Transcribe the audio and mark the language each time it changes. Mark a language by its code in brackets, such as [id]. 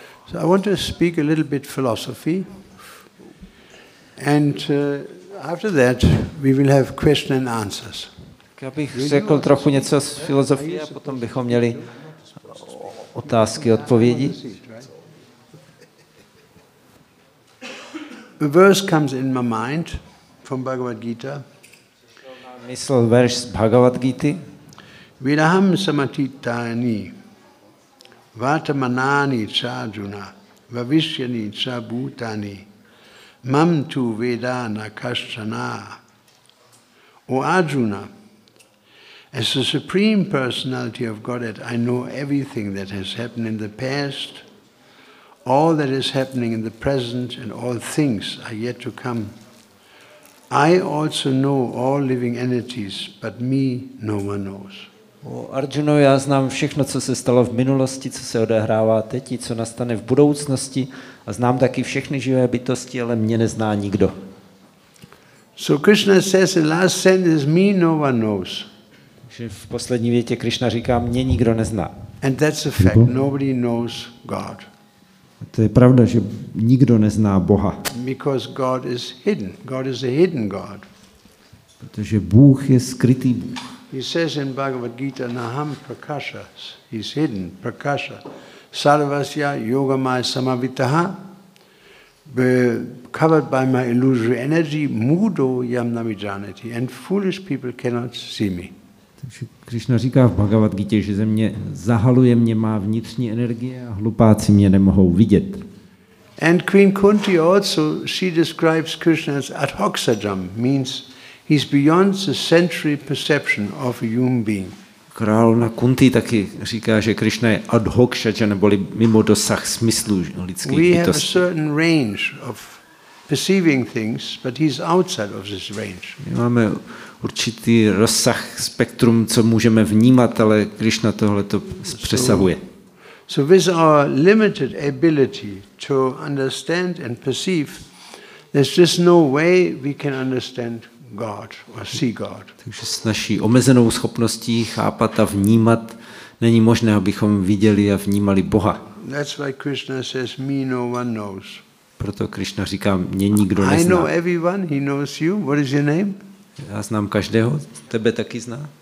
[en] So I want to speak a little bit philosophy, and after that we will have question and answers. [cs] Já bych řekl trochu něco z filozofie a potom bychom měli otázky, odpovědi. [en] The verse comes in my mind from Bhagavad Gita. [cs] Mysl verš z Bhagavad Gity. [sa] Viraham samatitani vatamanani chajuna Vavishyani cha bhutani mam tu vedana kashchana. [en] O Arjuna, as the Supreme Personality of Godhead, I know everything that has happened in the past, all that is happening in the present, and all things are yet to come. I also know all living entities, but me no one knows. [cs] O Arjuno, já znám všechno, co se stalo v minulosti, co se odehrává teď i co nastane v budoucnosti a znám taky všechny živé bytosti, ale mě nezná nikdo. [en] So Krishna says the last sentence is me no one knows. [cs] Takže v poslední větě Krishna říká mě nikdo nezná. [en] And that's a fact, nobody knows God. [cs] A to je pravda, že nikdo nezná Boha. [en] Because God is hidden. God is a hidden God. [cs] Protože Bůh je skrytý Bůh. [en] He says in Bhagavad Gita, [sa] Naham Prakasha, [en] he's hidden, Prakasha, [sa] Sarvasya Yogamaya Samavitaha, [en] covered by my illusory energy, [sa] Mudo Yam Namijanati, [en] and foolish people cannot see me. [cs] Takže Krishna říká v Bhagavad Gita, že země zahaluje mě, má vnitřní energie a hlupáci mě nemohou vidět. [en] And Queen Kunti also, she describes Krishna as Adhoksajam, means he's beyond the sensory perception of a human being. [cs] Královna Kunti taky říká, že Krishna je ad hoc šadža, neboli mimo dosah smyslů lidských bytostí. [en] We have a certain range of perceiving things, but he's outside of this range. [cs] My máme určitý rozsah spektrum, co můžeme vnímat, ale Krishna tohle to přesahuje. [en] So with our limited ability to understand and perceive, there's just no way we can understand God or see God. [cs] Takže s naší omezenou schopností chápat a vnímat není možné, abychom viděli a vnímali Boha. [en] That's why Krishna says, me no one knows. [cs] Proto Krishna říká, mě nikdo nezná. [en] I know everyone, he knows you. What is your name? [cs] Já znám každého, tebe taky zná.